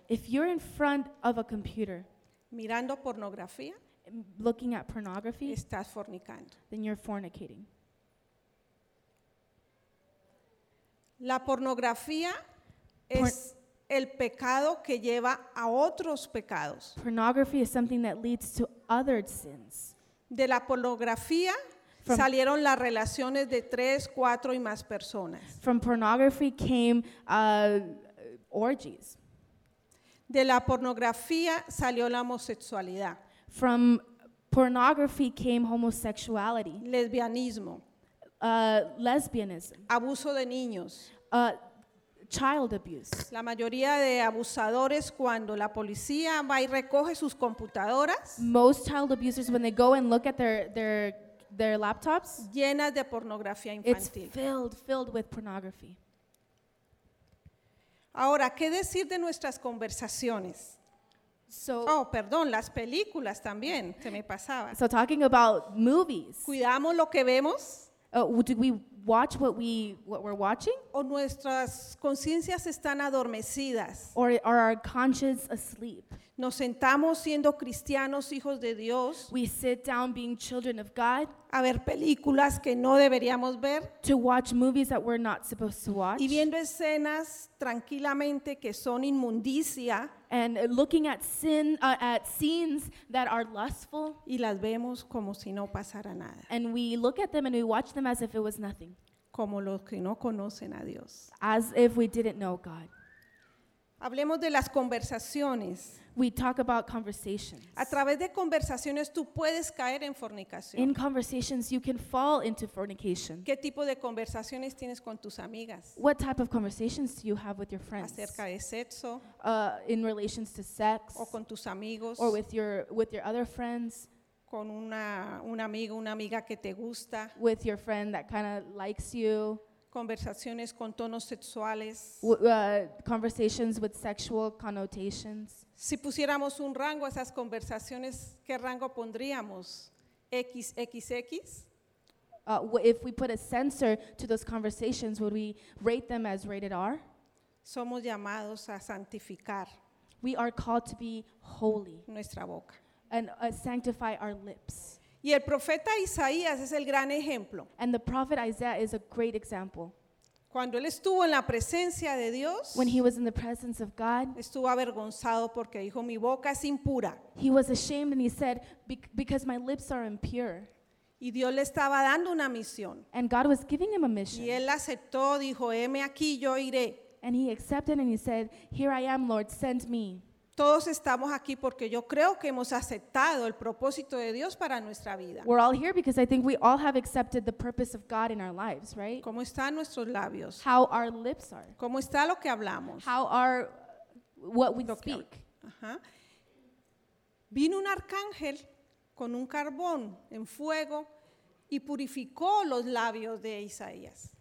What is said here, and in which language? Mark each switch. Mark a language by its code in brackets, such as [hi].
[en] if you're in front of a computer, [es] mirando pornografía, [en] looking at pornography, [es] estás fornicando. [en] Then you're fornicating. [es] La pornografía es el pecado que lleva a otros pecados. [en] Pornography is something that leads to other sins. [es] De la pornografía salieron las relaciones de 3, 4 y más personas. [en] From pornography came orgies. [es] De la pornografía salió la homosexualidad. [en] From pornography came homosexuality. [es] Lesbianismo. [en] Lesbianism. [es] Abuso de niños. [en] Child abuse. [es] La mayoría de abusadores cuando la policía va y recoge sus computadoras. [en] Most child abusers when they go and look at their laptops. [es] Llenas de pornografía infantil. [en] It's filled with pornography. [es] Ahora, ¿qué decir de nuestras conversaciones? [en] So, [es] oh, perdón, las películas también, se me pasaba. [en] So talking about movies. [es] Cuidamos lo que vemos. [en] Do we watch what we're watching? [es] O nuestras conciencias están adormecidas. [en] Or are our conscience asleep? [es] Nos sentamos siendo cristianos, hijos de Dios. [en] We sit down being children of God. [es] A ver películas que no deberíamos ver. [en] To watch movies that we're not supposed to watch. [es] Y viendo escenas tranquilamente que son inmundicia. [en] And looking at sin, at scenes that are lustful. [es] Y las vemos como si no pasara nada. [en] And we look at them and we watch them as if it was nothing. [es] Como los que no conocen a Dios. [en] As if we didn't know God. [es] Hablemos de las conversaciones. [en] We talk about conversations. [es] A través de conversaciones tú puedes caer en fornicación. [en] In conversations you can fall into fornication. [es] ¿Qué tipo de conversaciones tienes con tus amigas? [en] What type of conversations do you have with your friends? [es] Acerca de sexo. [en] In relations to sex. [es] O con tus amigos. [en] Or with your other friends. [es] Con un amigo, una amiga que te gusta. [en] With your friend that kind of likes you. [es] Conversaciones con tonos sexuales. [en] Conversations with sexual connotations. [es] Si pusiéramos un rango a esas conversaciones, ¿qué rango pondríamos? [en] XXX? If we put a censor to those conversations, would we rate them as rated R? [es] Somos llamados a santificar. [en] We are called to be holy. [es] Nuestra boca. [en] And sanctify our lips. [es] Y el profeta Isaías es el gran ejemplo. [en] And the prophet Isaiah is a great example. [es] Cuando él estuvo en la presencia de Dios, [en] when he was in the presence of God, [es] estuvo avergonzado porque dijo, mi boca es impura. [en] He was ashamed and he said, because my lips are impure. [es] Y Dios le estaba dando una misión. [en] And God was giving him a mission. [es] Y él aceptó, dijo, heme aquí, yo iré. [en] And he accepted and he said, here I am, Lord, send me. [es] Todos estamos aquí porque yo creo que hemos aceptado el propósito de Dios para nuestra vida. [en] We're all here because I think we all have accepted the purpose of God in our lives, right? [es] ¿Cómo están nuestros labios? [en] How our lips are. [es] ¿Cómo está lo que hablamos? [en] How are what we speak. [es] Vino un arcángel con un carbón en fuego y purificó los labios de Isaías.